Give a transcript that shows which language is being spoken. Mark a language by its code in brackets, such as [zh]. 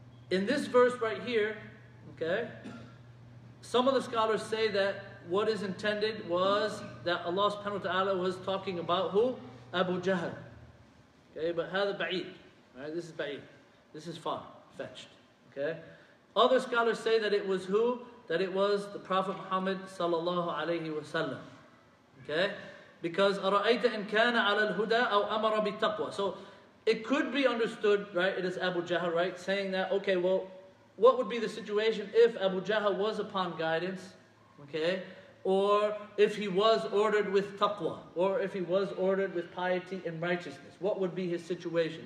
[en] In this verse right here, okay, some of the scholars say that what is intended was that Allah subhanahu wa ta'ala was talking about who? Abu Jahl. Okay, but [ar] هذا بعيد. [en] Right, this is بعيد. This is far-fetched. Okay? Other scholars say that it was who? That it was the Prophet Muhammad sallallahu alayhi wa sallam. Okay? Because [ar] أَرَأَيْتَ إِنْ كَانَ عَلَى الْهُدَىٰ أَوْ أَمَرَ بِالتَّقْوَىٰ. [en] So, it could be understood, right? It is Abu Jahl, right? Saying that, okay, well, what would be the situation if Abu Jahl was upon guidance? Okay? Or if he was ordered with taqwa, or if he was ordered with piety and righteousness, what would be his situation?